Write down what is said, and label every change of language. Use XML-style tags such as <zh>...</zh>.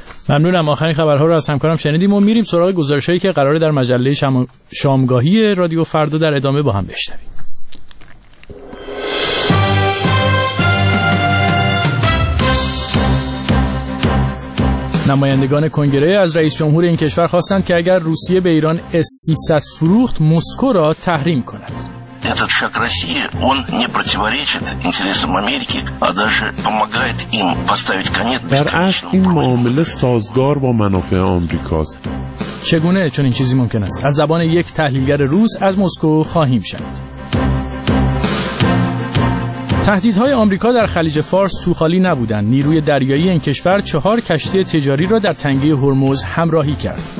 <fa>ممنونم، آخرین خبرها رو از همکارم شنیدیم و میریم سراغ گزارشایی که قراره در مجله شامگاهی رادیو فردا در ادامه با هم بشنویم. نمایندگان کنگره از رئیس جمهور این کشور خواستند که اگر روسیه به ایران S-300 فروخت، مسکو را تحریم کند.</fa> <ru>Этот шаг России, он не противоречит интересам Америки, а даже помогает им поставить конец бесконечному проекту.</ru> <fa>این معامله سازگار با منافع آمریکاست. چگونه چون این چیزی ممکن است؟ از زبان یک تحلیلگر روس از مسکو خواهیم شنید. تهدیدهای آمریکا در خلیج فارس تو خالی نبودند. نیروی دریایی این کشور 4 کشتی تجاری را در تنگه هرمز همراهی کرد.</fa>